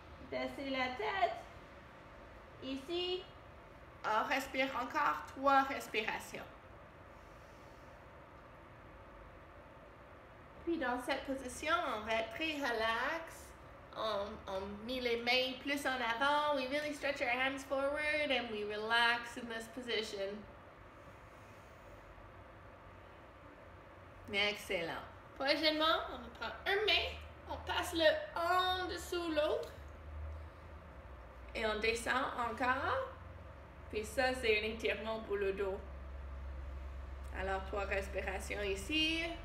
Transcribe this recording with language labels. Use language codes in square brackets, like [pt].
[fr] Baissez la tête. Ici. On respire encore 3 respirations. Puis dans cette position, on va être très relax. On met les mains plus en avant. [en] We really stretch our hands forward and we relax in this position. [fr] Excellent. Prochainement, on prend une main, on passe le en dessous de l'autre et on descend encore. Puis ça, c'est un étirement pour le dos. Alors, 3 respirations ici.